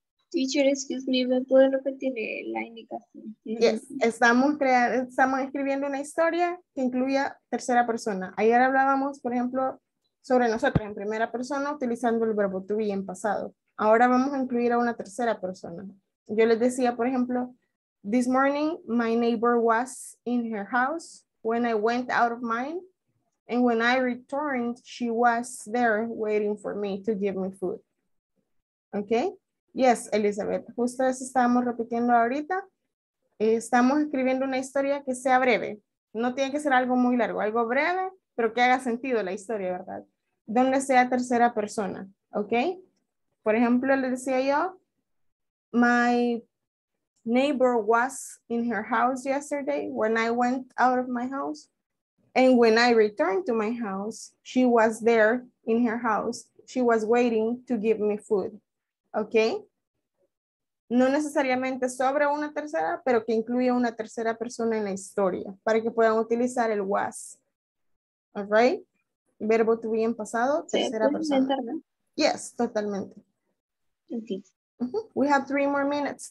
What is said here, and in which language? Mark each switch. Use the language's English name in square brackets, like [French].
[English] Teacher, excuse me, [Spanish] ¿me puedo repetir la indicación? Yes, estamos escribiendo una historia que incluya tercera persona. Ayer hablábamos, por ejemplo, sobre nosotros en primera persona utilizando el verbo to be en pasado. Ahora vamos a incluir a una tercera persona. Yo les decía, por ejemplo, [English] this morning my neighbor was in her house when I went out of mine and when I returned she was there waiting for me to give me food. [Spanish] Okay? Yes, Elizabeth, justo eso estábamos repitiendo ahorita. Estamos escribiendo una historia que sea breve. No tiene que ser algo muy largo, algo breve, pero que haga sentido la historia, ¿verdad? Donde sea tercera persona, ¿ok? Por ejemplo, le decía yo, my [English] neighbor was in her house yesterday when I went out of my house. And when I returned to my house, she was there in her house. She was waiting to give me food. Okay? [Spanish] No necesariamente sobre una tercera, pero que incluya una tercera persona en la historia para que puedan utilizar el was. [English] All right? [Spanish] Verbo to be en pasado, tercera persona. [English] Yes, totalmente. We have 3 more minutes.